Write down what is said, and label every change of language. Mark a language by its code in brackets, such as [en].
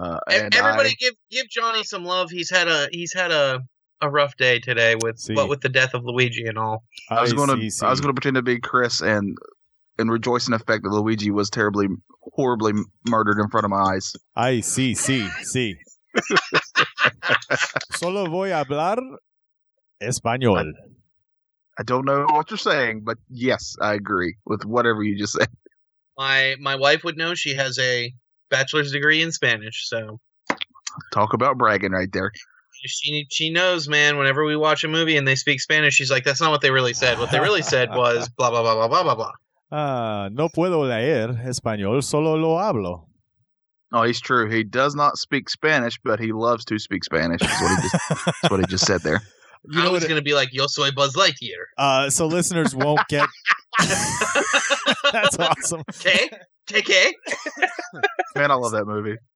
[en] Everybody, give Johnny some love. He's had a rough day today with the death of Luigi and all. I was gonna pretend to be Chris and rejoice in the fact that Luigi was terribly, horribly murdered in front of my eyes. I see, see, see. [es] Solo voy a hablar español. [en] I don't know what you're saying, but yes, I agree with whatever you just said. My wife would know. She has a bachelor's degree in Spanish, so. Talk about bragging right there. She knows, man, whenever we watch a movie and they speak Spanish, she's like, that's not what they really said. What they really said was blah, blah, blah, blah, blah, blah, blah. [es] No puedo leer español, solo lo hablo. [en] Oh, he's true. He does not speak Spanish, but he loves to speak Spanish. That's what he just said there. You know, I was going to be like, [es] yo soy Buzz Lightyear. [en] So listeners won't get. That's awesome. KK. Man, I love that movie.